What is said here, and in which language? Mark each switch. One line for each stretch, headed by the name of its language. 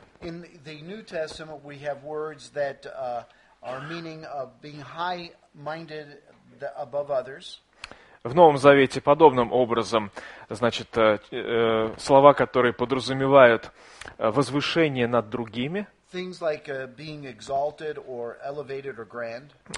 English: In the New Testament, we have words that are meaning of being high-minded above others.
Russian: В Новом Завете подобным образом, значит, слова, которые подразумевают возвышение над другими.
English: Things like being exalted or elevated or grand.